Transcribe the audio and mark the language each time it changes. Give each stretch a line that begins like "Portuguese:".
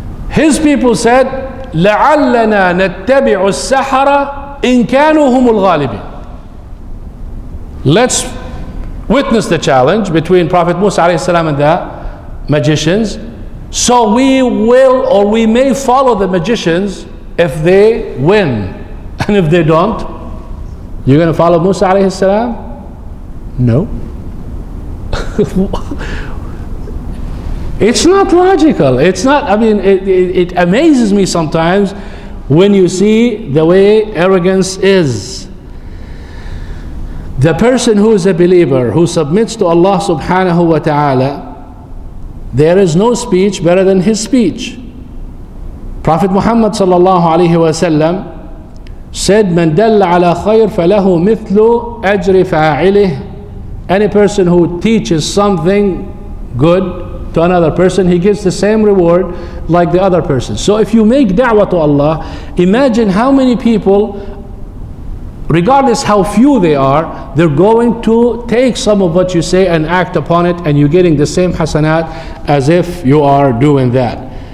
English: His people said,
Arabic: لَعَلَّنَا نَتَّبِعُ السَّحَرَ إِن كَانُوا هُمُ الْغَالِبِينَ.
English: Let's witness the challenge between Prophet Musa alayhi salam and the magicians. So we will, or we may follow the magicians if they win. And if they don't, you're going to follow Musa alayhi salam? No. It's not logical. It amazes me sometimes when you see the way arrogance is. The person who is a believer, who submits to Allah subhanahu wa ta'ala, there is no speech better than his speech. Prophet Muhammad sallallahu alayhi wa sallam said,
Arabic: من دل على خير فله مثل أجر فاعله.
English: Any person who teaches something good to another person, he gets the same reward like the other person. So if you make da'wah to Allah, imagine how many people, regardless how few they are, they're going to take some of what you say and act upon it, and you're getting the same hasanat as if you are doing that.